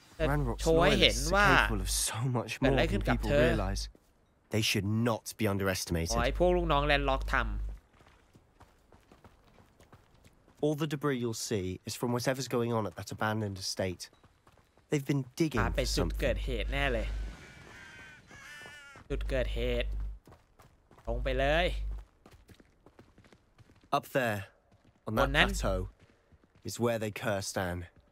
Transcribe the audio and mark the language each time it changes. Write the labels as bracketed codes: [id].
[en] Ranrock's loyalists are capable of so much more than people realize. They should not be underestimated. [th] ไอ้พวกลูกน้องแลนด์ล็อกทำ [en] All the debris you'll see is from whatever's going on at that abandoned estate. They've been digging for something. [th] ไปจุดเกิดเหตุแน่เลยจุดเกิดเหตุลงไปเลย [en] Up there on that plateau is where they cursed Anne.